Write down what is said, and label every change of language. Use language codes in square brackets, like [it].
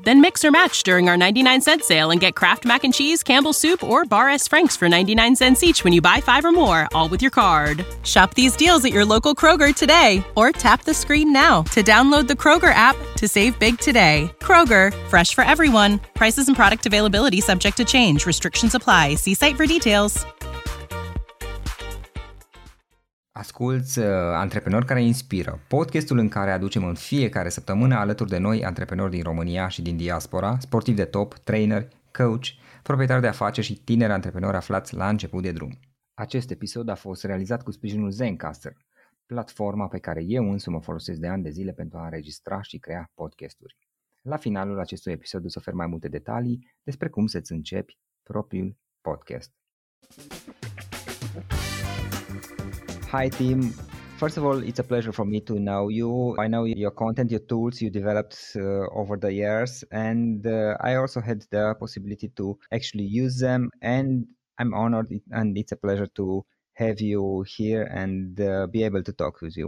[en] Then mix or match during our 99 cent sale and get Kraft mac and cheese, Campbell's soup, or Bar S Franks for 99 cents each when you buy five or more, all with your card. Shop these deals at your local Kroger today, or tap the screen now to download the Kroger app to save big today. Kroger, fresh for everyone. Prices and product availability subject to change. Restrictions apply. See site for details. [ro] Asculți Antreprenori care inspiră, podcastul în care aducem în fiecare săptămână alături de noi antreprenori din România și din diaspora, sportivi de top, trainer, coach, proprietari de afaceri și tineri antreprenori aflați la început de drum. Acest episod a fost realizat cu sprijinul Zencaster, platforma pe care eu însumi mă folosesc de ani de zile pentru a înregistra și crea podcasturi. La finalul acestui episod îți ofer mai multe detalii despre cum să-ți începi propriul podcast. [en] Hi team. First of all, it's a pleasure for me to know you. I know your content, your tools you developed over the years, and I also had the possibility to actually use them, and I'm honored and it's a pleasure to have you here and be able to talk with you.